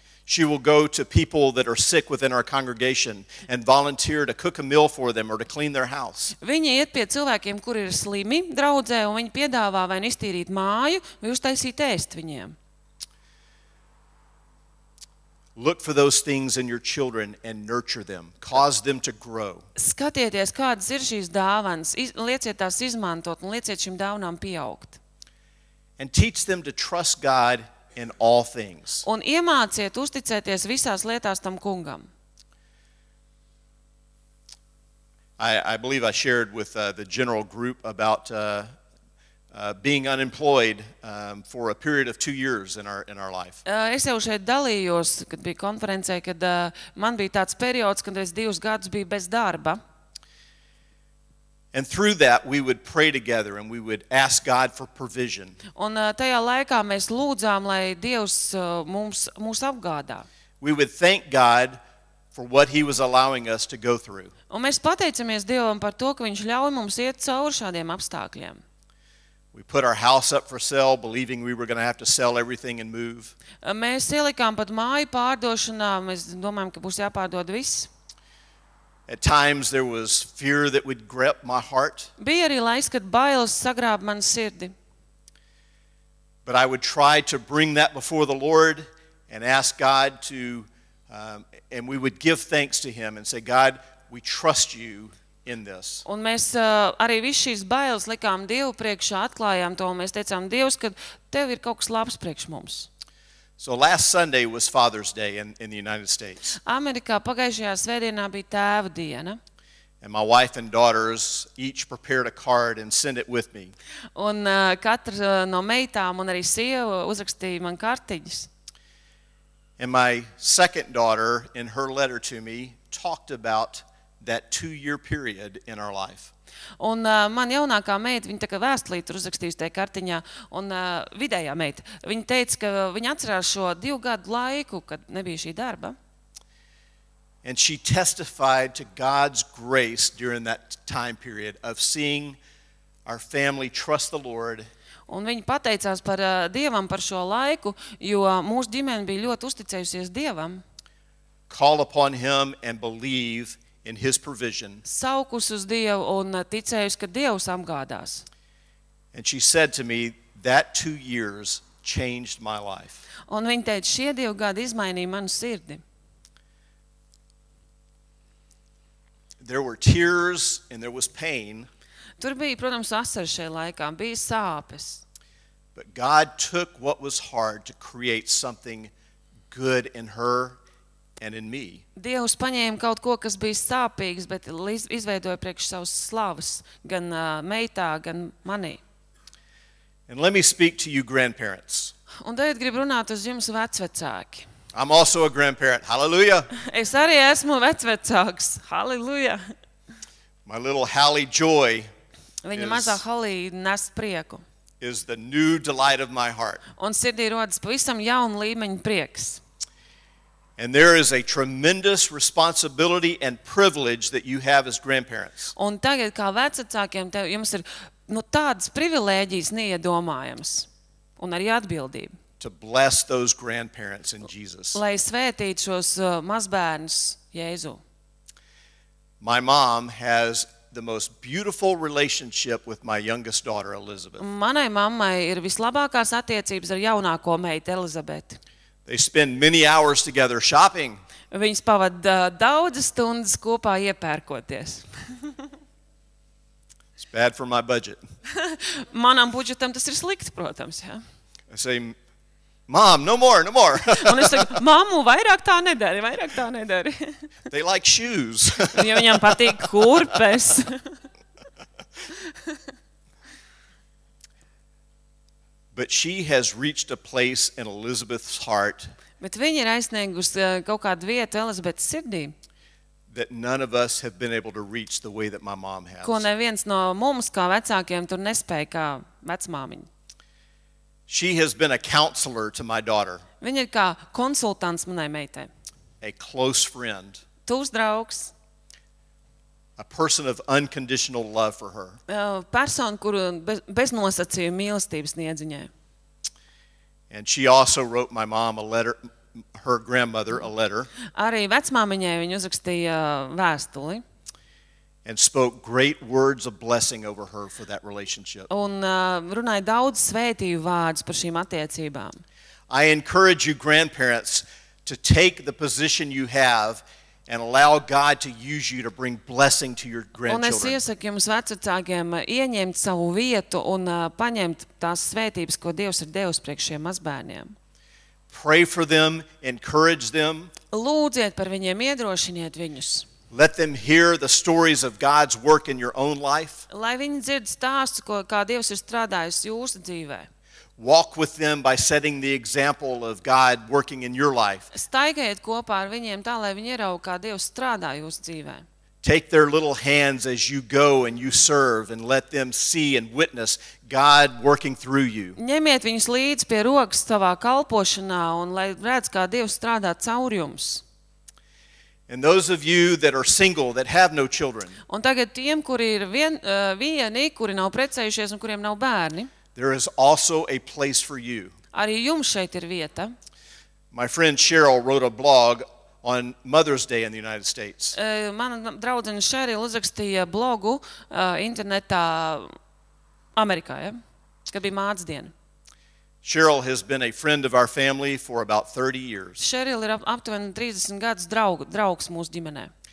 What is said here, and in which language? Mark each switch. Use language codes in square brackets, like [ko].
[en] She will go to people that are sick within our congregation and volunteer to cook a meal for them or to clean their house. [lv] Viņa iet pie cilvēkiem, kuri ir slimi draudzē, un viņa piedāvā vai iztīrīt māju, vai uztaisīt ēst viņiem. [en] Look for those things in your children and nurture them. Cause them to grow. [lv] Skatieties, kādas ir šīs dāvanas, lieciet tās izmantot un lieciet šim dāvanām pieaugt. [en] And teach them to trust God in all things. [lv] Un iemāciet uzticēties visās lietās tam kungam. [en] I believe I shared with the general group about being unemployed for a period of 2 years in our life. [lv] Es jau šeit dalījos, kad bija konferencē, kad man bija tāds periods, kad es 2 gadus biju bez darba. [en] And through that we would pray together and we would ask God for provision. [lv] Un tajā laikā mēs lūdzām, lai Dievs mūs apgādā. [en] We would thank God for what he was allowing us to go through. [lv] Un mēs pateicamies Dievam par to, ka viņš ļauj mums iet cauri šādiem apstākļiem. [en] We put our house up for sale, believing we were going to have to sell everything and move. [lv] Mēs ielikām pat māju pārdošanā, mēs domājām, ka būs jāpārdod viss. [en] At times there was fear that would grip my heart. [lv] Bija arī laiks, kad bailes sagrāba manu sirdi. [en] But I would try to bring that before the Lord and ask God to, and we would give thanks to him and say, God, we trust you. In this. [lv] Un mēs arī visu šīs bailes likām Dievu priekšā, atklājām to, un mēs teicām, Dievs, ka tev ir kaut kas labs priekš mums. [en] So last Sunday was Father's Day in the United States. [lv] Amerikā pagājušajā svētdienā bija tēva diena. [en] And my wife and daughters each prepared a card and sent it with me. [lv] Un katra no meitām un arī sieva uzrakstīja man kartiņas. [en] And my second daughter in her letter to me talked about that 2 year period in our life. [lv] Un man jaunākā meita, viņa tā kā vēstulī tur uzrakstījusi tajā kartiņā, un vidējā meita, viņa teica, ka viņa atcerās šo 2 gadu laiku, kad nebija šī darba. [en] And she testified to God's grace during that time period of seeing our family trust the Lord. [lv] Un viņa pateicās par Dievam par šo laiku, jo mūsu ģimene bija ļoti uzticējusies Dievam. [en] Call upon him and believe in his provision. [lv] Saukus uz Dievu un ticējus, ka Dievs apgādās. [en] And she said to me, that 2 years changed my life. [lv] Un viņa teica, šie 2 gadi izmainīja manu sirdi. [en] There were tears and there was pain. [lv] Tur bija, protams, asaras šajā laikā, bija sāpes. [en] But God took what was hard to create something good in her. And in me. [lv] Dievs paņēma kaut ko, kas bija sāpīgs, bet izveidoja priekš savas slavas, gan meitā, gan manī. [en] And let me speak to you grandparents. [lv] Un tagad gribu runāt uz jums vecvecāki. [en] I'm also a grandparent. Hallelujah. [lv] Es arī esmu vecvecāks. Hallelujah. [en] My little Hallie Joy. [lv] Viņa mazā Hallie nes prieku. [en] Is the new delight of my heart. [lv] Un sirdī rodas pavisam jauna līmeņa prieks. [en] And there is a tremendous responsibility and privilege that you have as grandparents. [lv] Un tagad kā vecvecākiem tev jums ir, nu, tādas privilēģijas neiedomājamas un arī atbildība. [en] to bless those grandparents in Jesus. [lv] Lai svētītu šos mazbērnus Jēzu. [en] My mom has the most beautiful relationship with my youngest daughter Elizabeth. [lv] Manai mammai ir vislabākās attiecības ar jaunāko meitu Elizabeti. [en] They spend many hours together shopping. [lv] Viņas pavada daudzas stundas kopā iepērkoties. [en] It's bad for my budget. [lv] Manam budžetam tas ir slikti, protams, ja. [en] I say, Mom, no more. [lv] Un es saku, mammu, vairāk tā nedari. [en] They like shoes. [lv] Jo viņam patīk kurpes. [en] But she has reached a place in Elizabeth's heart. [lv] Bet viņa ir aizsniegusi kaut kādu vietu Elizabetes sirdī. [en] That none of us have been able to reach the way that my mom has. [lv] Ko neviens no mums kā vecākiem tur nespēja kā vecmāmiņa. [en] She has been a counselor to my daughter. [lv] Viņa ir kā konsultants manai meitai. [en] A close friend. [lv] Tūs draugs. [en] A person of unconditional love for her. [lv] Persona, kuru bez nosacījuma mīlestības niedz viņai. [en] And she also wrote my mom a letter, her grandmother a letter. [lv] Arī vecmāmiņai viņa uzrakstīja vēstuli. [en] And spoke great words of blessing over her for that relationship. [lv] Un runāja daudz svētīju vārdus par šīm attiecībām. [en] I encourage you grandparents to take the position you have and allow God to use you to bring blessing to your grandchildren. [lv] Un es iesaku jums vecvecākiem ieņemt savu vietu un paņemt tās svētības, ko Dievs ir devis priekš šiem mazbērniem. [en] Pray for them, encourage them. [lv] Lūdziet par viņiem, iedrošiniet viņus. [en] Let them hear the stories of God's work in your own life. [lv] Lai viņi dzird stāstu, ko kā Dievs ir strādājis jūsu dzīvē. [en] Walk with them by setting the example of God working in your life. [lv] Staigājiet kopā ar viņiem tā, lai viņi ieraugu, kā Dievs strādā jūsu dzīvē. [en] Take their little hands as you go and you serve and let them see and witness God working through you. [lv] Ņemiet viņus līdzi pie rokas savā kalpošanā un lai redz, kā Dievs strādā caur jums. [en] And those of you that are single that have no children. [lv] Un tagad tiem, kuri ir vieni, kuri nav precējušies un kuriem nav bērni. [en] There is also a place for you. [lv] Arī jums šeit ir vieta. [en] My friend Cheryl wrote a blog on Mother's Day in the United States. [lv] Mana draudzene Cheryl uzrakstīja blogu internetā Amerikā, ja? Kad bija mātes diena. [en] Cheryl has been a friend of our family for about 30 years. [lv] Cheryl ir aptuveni 30 gadus draugs mūsu ģimenē.